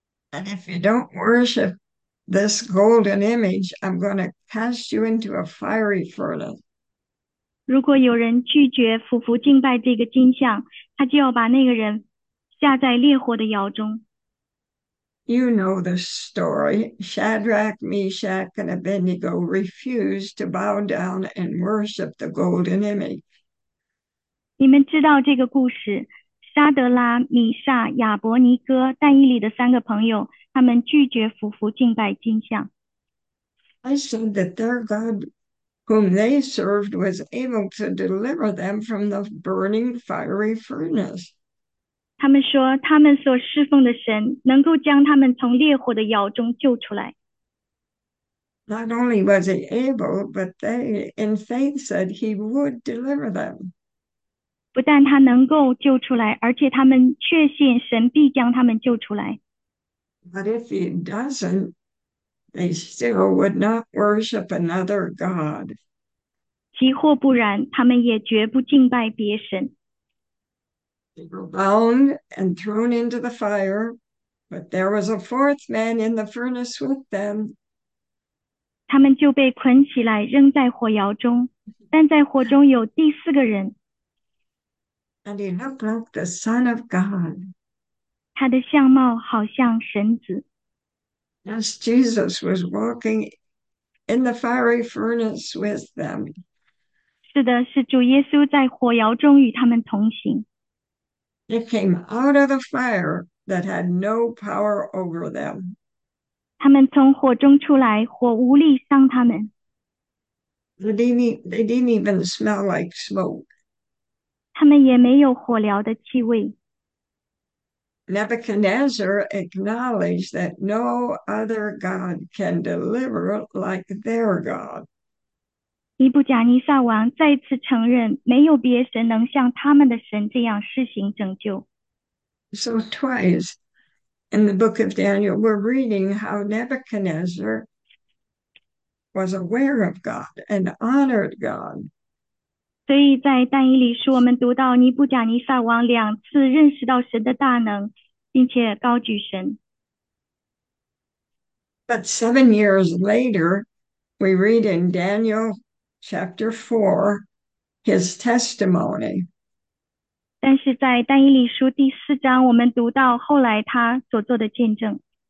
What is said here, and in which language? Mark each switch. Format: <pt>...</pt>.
<en>And if you don't worship this golden image, I'm going to cast you into a fiery furnace.</en> <zh>如果有人拒绝俯伏敬拜这个金像，他就要把那个人下在烈火的窑中。</zh> <en>You know the story. Shadrach, Meshach, and Abednego refused to bow down and worship the golden image.</en> <zh>你们知道这个故事，沙德拉、米撒、亚伯尼哥、但以理的三个朋友，他们拒绝俯伏敬拜金像。</zh> <en>I said that their God, whom they served, was able to deliver them from the burning fiery furnace.</en> <zh>他们说，他们所侍奉的神能够将他们从烈火的窑中救出来。</zh> <en>Not only was he able, but they, in faith, said he would deliver them.</en> <zh>不但他能够救出来，而且他们确信神必将他们救出来。</zh> <en>But if he doesn't, they still would not worship another god.</en> <zh>即或不然，他们也绝不敬拜别神。</zh> <en>They were bound and thrown into the fire, but there was a fourth man in the furnace with them.</en> <zh>他们就被捆起来扔在火窑中，但在火中有第四个人。</zh> <en>And he looked like the Son of God.</en> <zh>他的相貌好像神子。</zh> <en>As Jesus was walking in the fiery furnace with them.</en> <zh>是的，是主耶稣在火窑中与他们同行。</zh> <en>It came out of the fire that had no power over them.</en> <zh>他们从火中出来，火无力伤他们。</zh> <en>They didn't even smell like smoke.</en> <zh>他们也没有火燎的气味。</zh> <en>Nebuchadnezzar acknowledged that no other God can deliver like their God.</en> <zh>尼布甲尼撒王再次承认，没有别神能像他们的神这样施行拯救。</zh> <en>So, twice in the book of Daniel, we're reading how Nebuchadnezzar was aware of God and honored God.</en> <zh>所以在但以理书，我们读到尼布甲尼撒王两次认识到神的大能，并且高举神。</zh> <en>But 7 years later, we read in Daniel chapter 4 his testimony.</en> <zh>但是在但以理书第四章，我们读到后来他所做的见证。</zh>